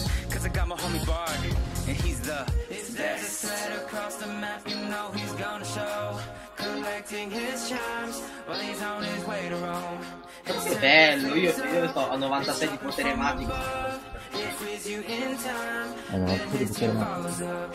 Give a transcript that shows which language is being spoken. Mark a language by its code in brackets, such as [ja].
[en] Cause I got my homie Bard, and he's the is best. There's a sled across the map, you know he's gonna show. Collecting his charms, while he's on his way to Rome. [it] Che bello, io sto a 96 di potere magico. [en] It frees you in time, then his team follows up.